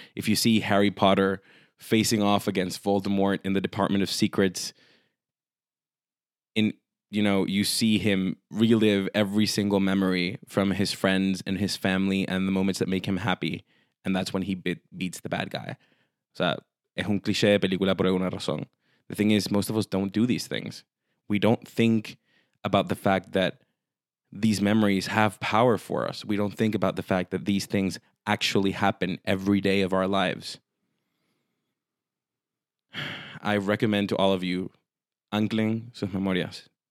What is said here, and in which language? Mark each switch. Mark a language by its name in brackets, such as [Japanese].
[English] If you see Harry Potter facing off against Voldemort in the Department of Secrets, you see him relive every single memory from his friends and his family and the moments that make him happy, and that's when he beats the bad guy. [Spanish] So, es un cliché de película por alguna razón. [English] The thing is, most of us don't do these things. We don't think about the fact that these memories have power for us. We don't think about the fact that these things actually happen every day of our lives. I recommend to all of you, [Spanish] anclen sus memorias.